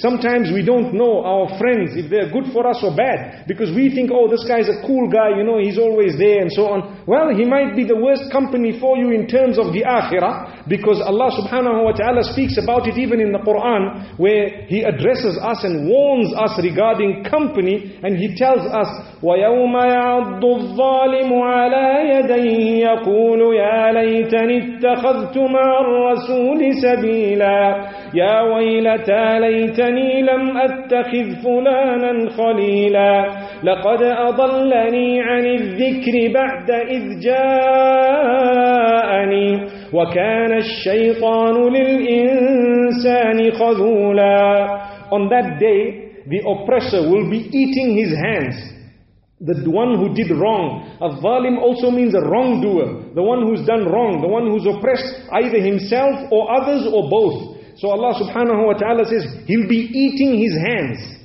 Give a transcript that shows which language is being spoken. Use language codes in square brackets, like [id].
[en] Sometimes we don't know our friends if they're good for us or bad. Because we think, oh, this guy's a cool guy, you know, he's always there and so on. Well, he might be the worst company for you in terms of the akhirah. Because Allah subhanahu wa ta'ala speaks about it even in the Quran, where he addresses us and warns us regarding company. And he tells us, [ar] وَيَوْمَ يَعَضُّ الظَّالِمُ عَلَىٰ يَدَيْهِ يَقُولُ يَا لَيْتَنِ اتَّخَذْتُ مَعَ الرَّسُولِ سَبِيلًا. يا ويلتى ليتني لم أتخذ فلانا خليلا لقد أضلني عن الذكر بعد إذ جاءني وكان الشيطان للإنسان خذولا. [en] On that day, the oppressor will be eating his hands. The one who did wrong. A zalim also means a wrongdoer. The one who's done wrong. The one who's oppressed either himself or others or both. So Allah subhanahu wa ta'ala says, he'll be eating his hands.